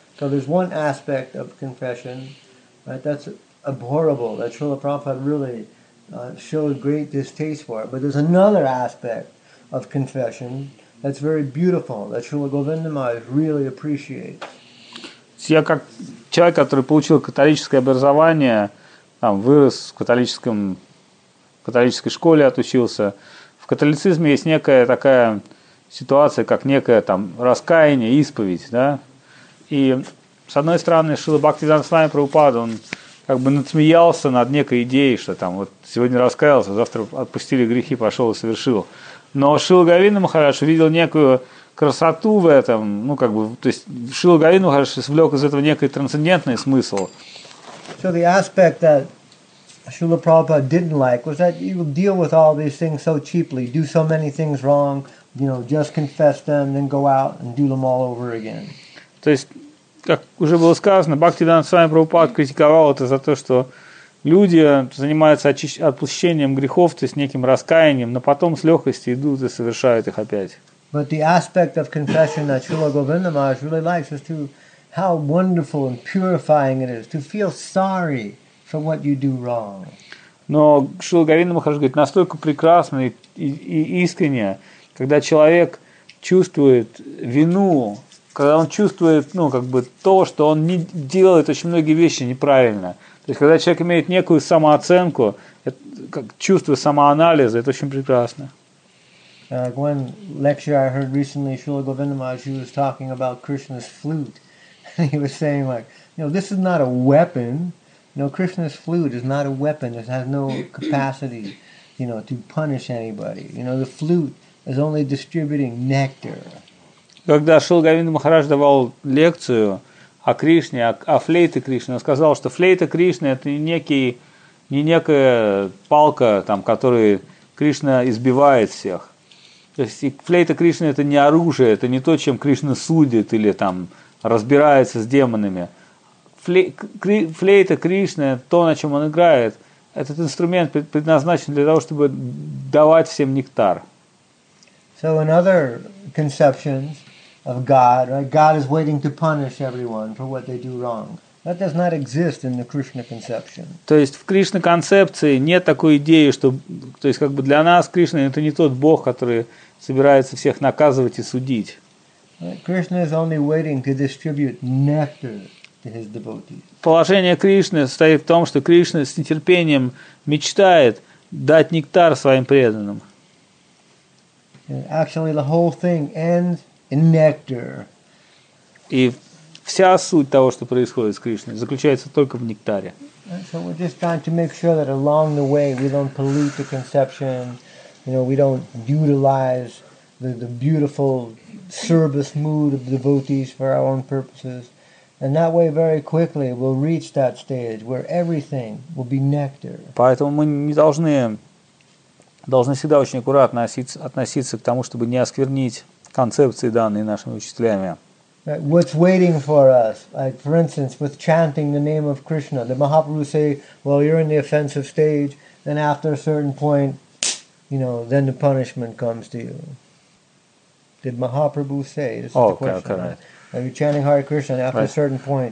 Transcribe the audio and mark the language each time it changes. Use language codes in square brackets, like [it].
[en] So there's one aspect of confession, right, that's abhorrible, that Srila Prabhupada really showed great distaste for it. But there's another aspect of confession that's very beautiful, that Srila Govinda Maharaj really appreciates. [ru] Я как человек, который получил католическое образование, там, вырос в католическом, в католической школе, отучился, в католицизме есть некая такая ситуация, как некое там раскаяние, исповедь, да? И с одной стороны, Шрила Бхактивинода Свами Прабхупада, он как бы надсмеялся над некой идеей, что там вот сегодня раскаялся, завтра отпустили грехи, пошел и совершил. Но Шрила Говинда Махарадж увидел некую красоту в этом, ну как бы, то есть Шрила Говинда Махарадж извлек из этого некий трансцендентный смысл. [en] So the aspect that Srila Prabhupada didn't like was that you deal with all these things so cheaply, do so many things wrong, you know, just confess them, then go out and do them all over again. [ru] То есть, как уже было сказано, Бхактивинода Свами Прабхупад критиковал это за то, что люди занимаются отпущением грехов, то есть неким раскаянием, но потом с легкостью идут и совершают их опять. [en] But the aspect of confession that Srila Govinda Maharaj really likes is to how wonderful and purifying it is to feel sorry for what you do wrong. [ru] Но Шрила Говинда Махарадж говорит, настолько прекрасно и искренне, когда человек чувствует вину, когда он чувствует, ну, как бы то, что он не делает очень многие вещи неправильно. То есть, когда человек имеет некую самооценку, как чувство самоанализа, это очень прекрасно. [en] One lecture I heard recently, Srila Govinda Maharaj, he was talking about Krishna's flute. He was saying, like, you know, this is not a weapon. You know, Krishna's flute is not a weapon. It has no capacity, you know, to punish anybody. You know, the flute is only distributing nectar. [ru] Когда Шрила Говинда Махарадж давал лекцию о Кришне, о флейте Кришны, он сказал, что флейта Кришны – это не некая палка, там, которой Кришна избивает всех. То есть флейта Кришны – это не оружие, это не то, чем Кришна судит или там разбирается с демонами. Флейта Кришны, то, на чем он играет, этот инструмент предназначен для того, чтобы давать всем нектар. [en] So in other conceptions of God, right? God is waiting to punish everyone for what they do wrong. That does not exist in the Krishna conception. [ru] То есть в Кришна концепции нет такой идеи, что, то есть как бы для нас Кришна это не тот Бог, который собирается всех наказывать и судить. [en] Krishna is only waiting to distribute nectar to his devotees. [ru] Положение Кришны состоит в том, что Кришна с нетерпением мечтает дать нектар своим преданным. [en] Actually, the whole thing ends in nectar. [ru] И вся суть того, что происходит с Кришной, заключается только в нектаре. [en] So we're just trying to make sure that along the way we don't pollute the conception, you know, we don't utilize the beautiful service mood of devotees for our own purposes, and that way very quickly we'll reach that stage where everything will be nectar. [ru] Поэтому мы не должны всегда очень аккуратно относиться к тому, чтобы не осквернить концепции, данные нашими учителями. [en] What's waiting for us? Like, for instance, with chanting the name of Krishna, the Mahaprabhu say, well, you're in the offensive stage, then after a certain point, you know, then the punishment comes to you. Did Mahaprabhu say? This is the question. Right? Are you chanting Hare Krishna and after a certain point,